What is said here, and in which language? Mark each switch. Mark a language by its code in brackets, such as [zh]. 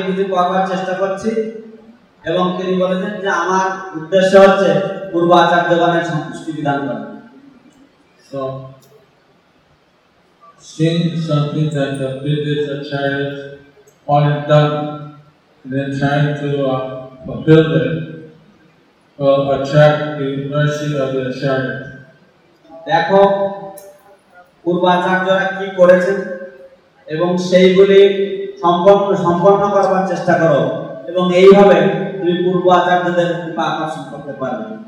[bn] কিছু করবার চেষ্টা করছি এবং তিনি বলেছেন যে আমার উদ্দেশ্য হচ্ছে পূর্ব আচার্যগণের সন্তুষ্টি বিধান করা। So, [en] seeing something that the previous acharyas wanted done, and then trying to fulfill it, will attract the mercy of the acharyas. [bn] দেখো পূর্বাচার্যরা কি করেছেন এবং সেইগুলি সম্পন্ন করবার চেষ্টা করো এবং এইভাবে তুমি পূর্বাচার্যদের কৃপা আকর্ষণ করতে পারবে।